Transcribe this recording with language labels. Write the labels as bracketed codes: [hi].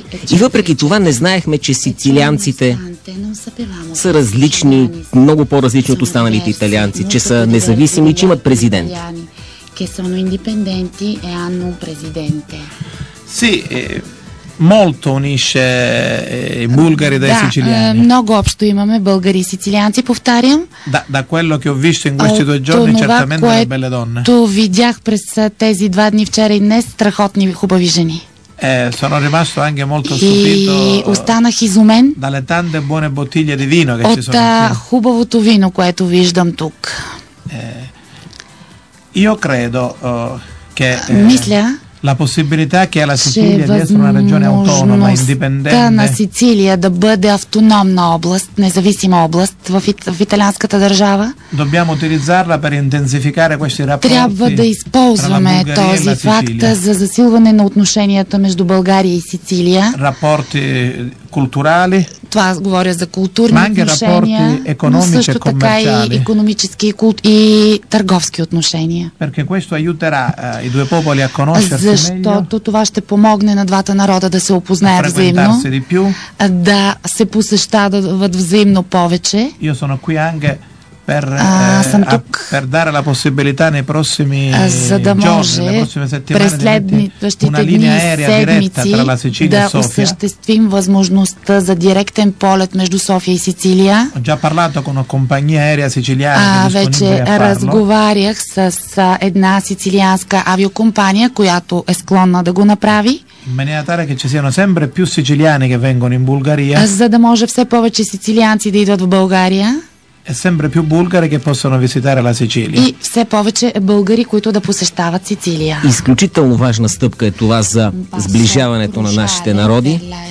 [bg] И въпреки това, не знаехме, че сицилианците са различни, много по-различни от останалите италианци, че са независими, че имат президент. [it] Che sono indipendenti e hanno un presidente. Sì, molto unisce i bulgari dai siciliani. [bg] Много общо имаме българи и сицилианци, повтарям. [it] Da quello che ho visto in questi due giorni, certamente le belle donne. [bg] То видях през тези два дни вчера и днес страхотни хубави жени. [it] Sono rimasto anche molto stupito. [bg] Останах изумен. [it] Dalle tante buone bottiglie di vino che ci sono. [bg] От хубавото вино, което виждам тук. [it] Io credo che [bg] мисля, [it] la possibilità che la Sicilia di essere una regione autonoma, indipendente, [bg] на Сицилия да бъде автономна област, независима област в италианската държава. [it] Dobbiamo utilizzarla per intensificare questi rapporti. [bg] Трябва да използваме този факт за засилване на отношенията между България и Сицилия. [it] Rapporti culturali. [bg] Това говоря за културни отношения, но също така и економически и търговски отношения. [it] Perché questo aiuterà i due popoli a conoscersi. [bg] Защото това ще помогне на двата народа да се опознаят взаимно, да се посещават взаимно повече. [it] Io sono qui anche per, per dare la possibilità nei prossimi giorni, [bg] следващите дни, седмици, да осъществим възможността за директен полет между София и Сицилия. [it] Ho già parlato con una compagnia aerea siciliana. [bg] Вече разговарях с една сицилианска авиокомпания, която е склонна да го направи. [it] In maniera tale che ci siano sempre più siciliani che vengono in Bulgaria. [bg] За да може все повече сицилианци да идват в България. [it] е сембре пю българи, ке посано визитаре ла Сицилия. [bg] И все повече българи, които да посещават Сицилия. Изключително важна стъпка е това за сближаването на нашите народи.